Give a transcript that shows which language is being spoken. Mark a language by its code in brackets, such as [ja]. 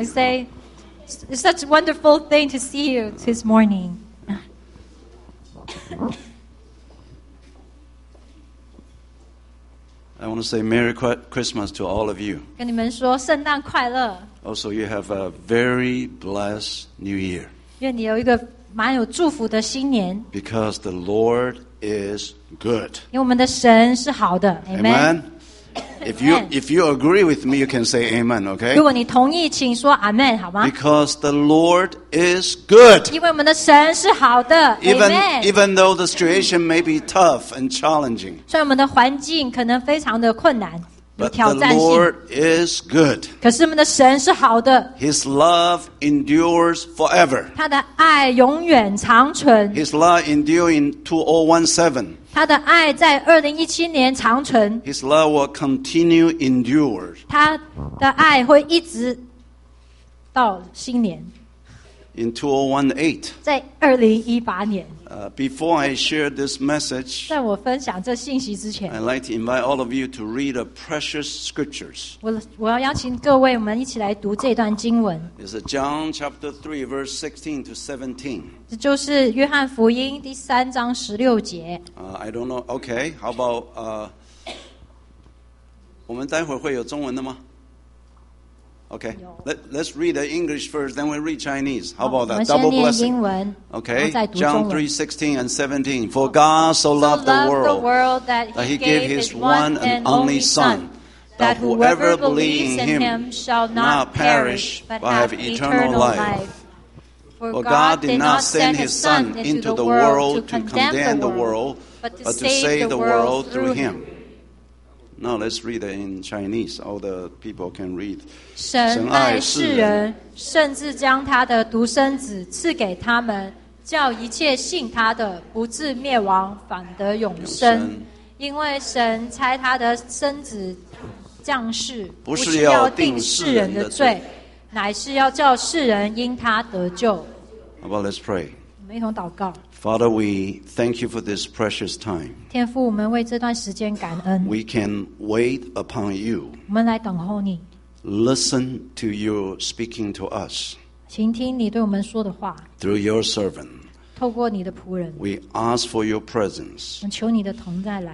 [en] I say, it's such a wonderful thing to see you this morning. I want to say Merry Christmas to all of you. [zh] 跟你们说圣诞快乐。 [en] Also, you have a very blessed New Year. [zh] 愿你有一个蛮有祝福的新年。 [en] Because the Lord is good. [zh] 因为我们的神是好的。Amen. [en] Amen. If you agree with me, you can say Amen, okay? [zh] 如果你同意，请说 Amen, 好吗？ [en] Because the Lord is good. [zh] 因为我们的神是好的。 [en] Even, Amen. Even though the situation may be tough and challenging. [zh] 虽然我们的环境可能非常的困难。 [en] But the Lord is good. [zh] 可是我们的神是好的。 [en] His love endures forever. [zh] 他的爱永远长存。 [en] His love endures in 2017. [zh] 他的爱在2017年长存。 [en] His love will continue endure. [zh] 他的爱会一直到新年。 [en] In 2018. [zh] 在2018年。 [en] Before I share this message, [zh] 在我分享这信息之前 [en] I'd like to invite all of you to read a precious scriptures. [zh] 我要邀请各位我们一起来读这段经文 [en] It's John chapter 3 verse 16 to 17. [zh] 这就是约翰福音第三章十六节 [en] I don't know, okay, how about [zh] 我们待会会有中文的吗 [en] Okay, let's read the English first, then we read Chinese. How about that? Double blessing. Okay, John 3:16 and 17. For God so loved the world that he gave his one and only Son, that whoever believes in him shall not perish, but have eternal life. For God did not send his Son into the world to condemn the world, but to save the world through him. Now let's read it in Chinese. All the people can read. [zh] 神爱世人，甚至将他的独生子赐给他们，叫一切信他的不至灭亡，反得永生。因为神差他的生子降世，不是要定世人的罪，乃是要叫世人因他得救。 [en] How about let's pray? [zh] 我们一同祷告。 [en] Father, we thank you for this precious time. [zh] 天父，我们为这段时间感恩。 [en] We can wait upon you. [zh] 我们来等候你。 [en] Listen to your speaking to us. [zh] 请听你对我们说的话。 [en] Through your servant. [zh] 透过你的仆人。 [en] We ask for your presence. [zh] 我们求你的同在来。